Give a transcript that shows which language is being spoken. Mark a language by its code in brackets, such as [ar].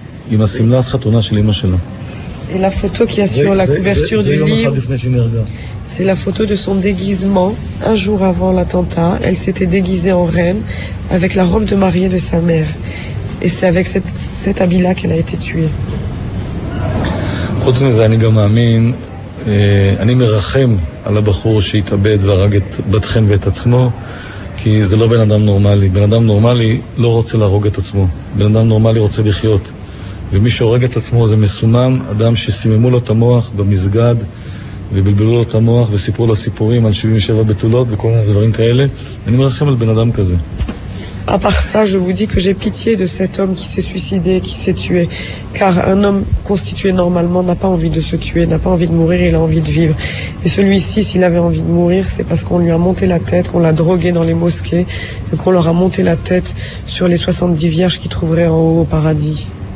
[fr] Il m'a simulé ce qu'on a chez les machines. Et la photo qu'il y a sur la couverture du livre, c'est la photo de son déguisement. Un jour avant l'attentat, elle s'était déguisée en reine avec la robe de mariée de sa mère. Et c'est avec cet habit-là qu'elle a été tuée. [he] חוץ מזה אני גם מאמין, אני מרחם על הבחור שהתאבד והרג את בתכן ואת עצמו, כי זה לא בן אדם נורמלי. בן אדם נורמלי לא רוצה להרוג את עצמו. בן אדם נורמלי רוצה לחיות. ומי שהורג את עצמו זה מסומם, אדם שסיממו לו את המוח במסגד, ובלבלו לו את המוח וסיפרו לו סיפורים על 77 בתולות וכל מיני דברים כאלה. אני מרחם על בן אדם כזה. [fr] À part ça, je vous dis que j'ai pitié de cet homme qui s'est suicidé, qui s'est tué. Car un homme constitué normalement n'a pas envie de se tuer, n'a pas envie de mourir, il a envie de vivre. Et celui-ci, s'il avait envie de mourir, c'est parce qu'on lui a monté la tête, qu'on l'a drogué dans les mosquées, et qu'on leur a monté la tête sur les 70 vierges qu'il trouverait en haut au paradis.